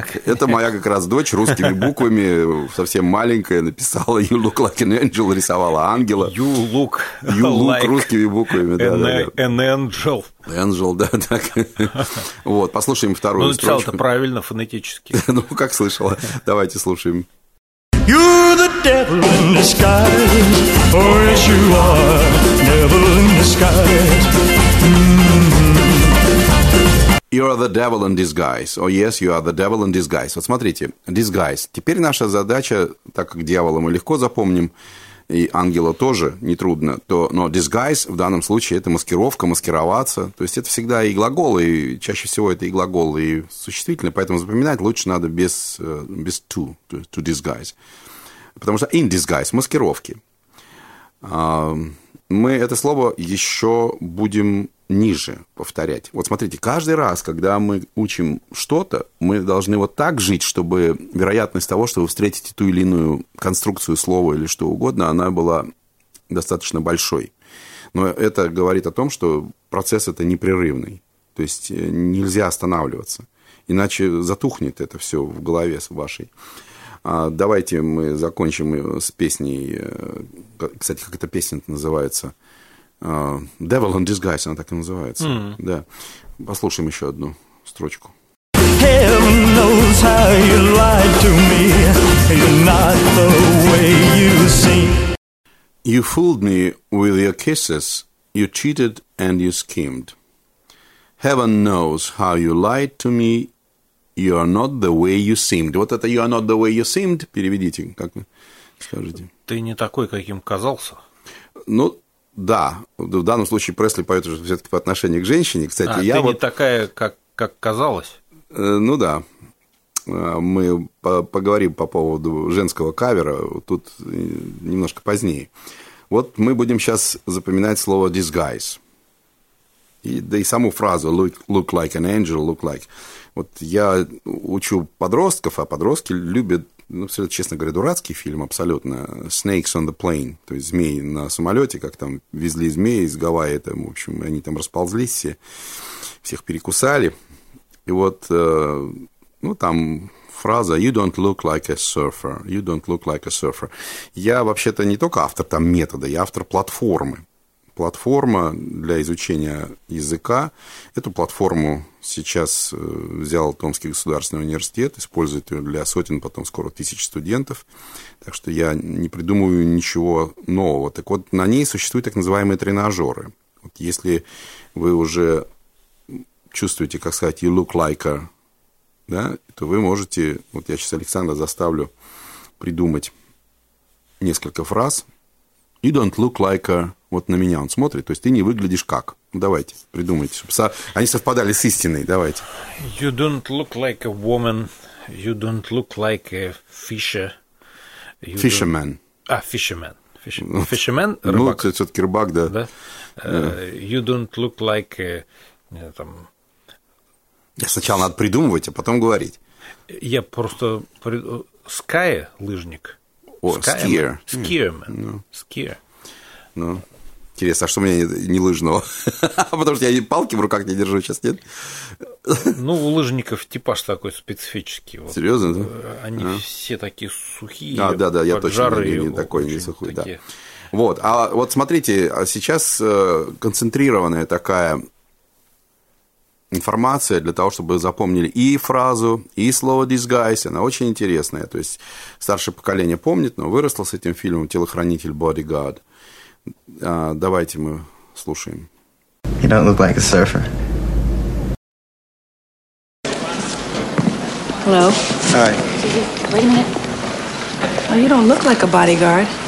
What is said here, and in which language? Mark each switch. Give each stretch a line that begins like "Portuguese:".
Russian: Это моя как раз дочь русскими буквами, совсем маленькая, написала
English: «You look like an angel»,
Russian: рисовала ангела.
English: You look like
Russian: русскими буквами.
English: An angel.
Russian: Angel, да. Так. Вот, послушаем вторую строчку. Ну, написал-то правильно, фонетически. Ну, как слышала. Давайте слушаем.
English: You're the devil in disguise, for as you are, devil in disguise. You are the devil in disguise. Oh, yes, you are the devil in disguise.
Russian: Вот смотрите, disguise. Теперь наша задача, так как дьявола мы легко запомним, и ангела тоже нетрудно, но disguise в данном случае – это маскировка, маскироваться. То есть, это всегда и глагол, и чаще всего это и глагол, и существительное. Поэтому запоминать лучше надо без to disguise. Потому что in disguise – маскировки. Мы это слово еще будем ниже повторять. Вот смотрите, каждый раз, когда мы учим что-то, мы должны вот так жить, чтобы вероятность того, что вы встретите ту или иную конструкцию слова или что угодно, она была достаточно большой. Но это говорит о том, что процесс это непрерывный. То есть нельзя останавливаться. Иначе затухнет это все в голове вашей. Давайте мы закончим с песней. Кстати, как эта песня-то называется? Devil in Disguise, она так и называется. Mm. Да. Послушаем еще одну строчку.
English: Heaven knows how you lied to me. You're not the way you seem. You fooled me with your kisses. You cheated and you schemed. Heaven knows how you lied to me. You are not the way you seemed.
Russian: Вот это
English: you are not the way you seemed.
Russian: Переведите, как вы скажете. Ты не такой, каким казался. Ну, да. В данном случае Пресли поет уже все-таки по отношению к женщине. Кстати, а я ты вот... не такая, как казалось. Ну да. Мы поговорим по поводу женского кавера тут немножко позднее. Вот мы будем сейчас запоминать слово disguise. И саму фразу
English: look like an angel, look like.
Russian: Вот я учу подростков, а подростки любят, ну, честно говоря, дурацкий фильм абсолютно, Snakes on the Plane, то есть змеи на самолете, как там везли змеи из Гавайи, там, в общем, они там расползлись все, всех перекусали. И вот, ну, там фраза
English: «You don't look like a surfer», «You don't look like a surfer».
Russian: Я вообще-то не только автор там метода, я автор платформы. Платформа для изучения языка. Эту платформу сейчас взял Томский государственный университет, использует ее для сотен, потом скоро тысяч студентов. Так что я не придумываю ничего нового. Так вот, на ней существуют так называемые тренажеры. Вот если вы уже чувствуете, как сказать,
English: you look like a,
Russian: да, то вы можете, вот я сейчас Александра заставлю придумать несколько фраз.
English: You don't look like a...
Russian: Вот на меня он смотрит. То есть, ты не выглядишь как. Давайте, придумайте. Они совпадали с истиной. Давайте.
English: You don't look like a woman. You don't look like a fisher. You fisherman. Don't... Fisherman?
Russian: Ну, рыбак. Ну, все-таки рыбак, да. Да?
English: You don't look like...
Russian: там... Я сначала надо придумывать, а потом говорить. Я просто... Sky, лыжник.
English: Skier. Skierman. Skier. Ну...
Russian: Интересно, а что у меня не лыжного? Потому что я палки в руках не держу сейчас, нет? Ну, у лыжников типаж такой специфический. Вот. Серьезно? Да? Они все такие сухие. А, да-да, я точно не такой, не сухой. Да. Вот, а вот смотрите, сейчас концентрированная такая информация для того, чтобы запомнили и фразу, и слово disguise, она очень интересная. То есть, старшее поколение помнит, но выросло с этим фильмом «Телохранитель Bodyguard». Давайте мы слушаем.
English: You don't look like a surfer. Hello. Hi. Wait a minute. Well, you don't look like a bodyguard.